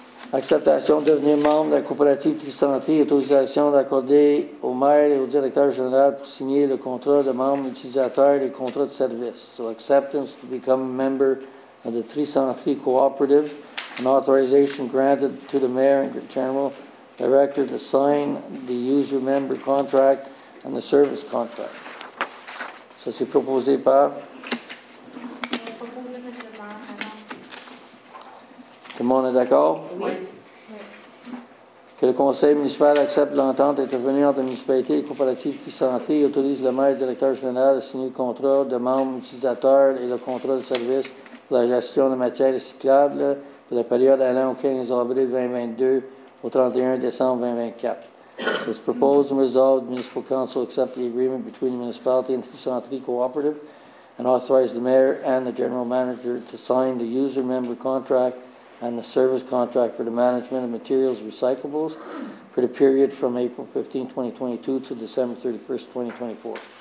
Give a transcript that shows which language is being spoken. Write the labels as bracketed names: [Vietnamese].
[French] Acceptation de devenir membre de la coopérative Tricentrie, autorisation d'accorder au maire et au directeur général pour signer le contrat de membre utilisateur et contrat de service. [English] So, acceptance to become a member of the Tricentrie Cooperative, an authorization granted to the mayor and general director to sign the user member contract and the service contract. [French] Ça, c'est proposé par? Tout le monde est d'accord? Oui. Que le conseil municipal accepte l'entente intervenue entre la municipalité et les coopératives qui Santé et autorise le maire et le directeur général à signer le contrat de membres utilisateurs et le contrat de service pour la gestion de matières recyclables pour la période allant au 15 avril 2022 au 31 décembre 2024. [English] So it's proposed and resolved the Municipal Council accept the agreement between the municipality and the Centrie Cooperative and authorize the mayor and the general manager to sign the user member contract and the service contract for the management of materials recyclables for the period from April 15, 2022 to December 31, 2024.